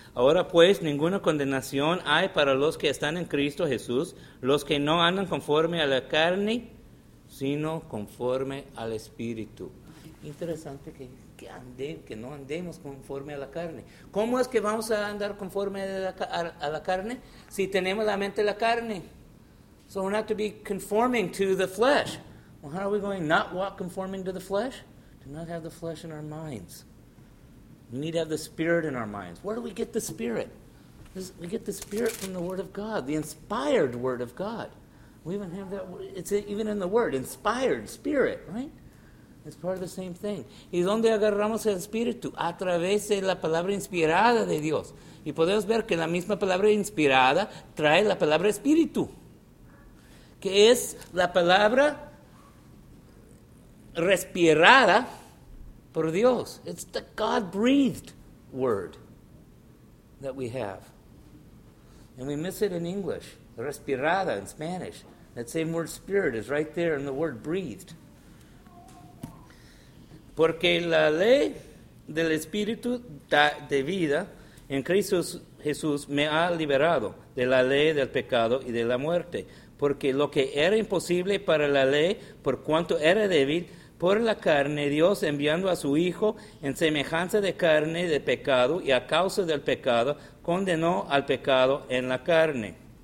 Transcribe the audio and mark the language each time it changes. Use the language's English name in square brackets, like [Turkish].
[Spanish] Ahora pues, ninguna condenación hay para los que están en Cristo Jesús, los que no andan conforme a la carne, sino conforme al Espíritu. Interesante que no andemos conforme a la carne. ¿Cómo es que vamos a andar conforme a la carne? Si tenemos la mente de la carne. [English] So we're not to be conforming to the flesh. Well, how are we going not walk conforming to the flesh? Do not have the flesh in our minds. We need to have the Spirit in our minds. Where do we get the Spirit? We get the Spirit from the Word of God, the inspired Word of God. We even have that, it's even in the Word, inspired, Spirit, right? It's part of the same thing. [Spanish] ¿Y dónde agarramos el Espíritu? A través de la palabra inspirada de Dios. Y podemos ver que la misma palabra inspirada trae la palabra Espíritu, que es la palabra respirada por Dios. [English] It's the God-breathed word that we have. And we miss it in English. Respirada in Spanish. That same word spirit is right there in the word breathed. [Spanish] Porque la ley del Espíritu de vida en Cristo Jesús me ha liberado de la ley del pecado y de la muerte. Porque lo que era imposible para la ley, por cuanto era débil, por la carne, Dios enviando a su Hijo en semejanza de carne de pecado y a causa del pecado, condenó al pecado en la carne.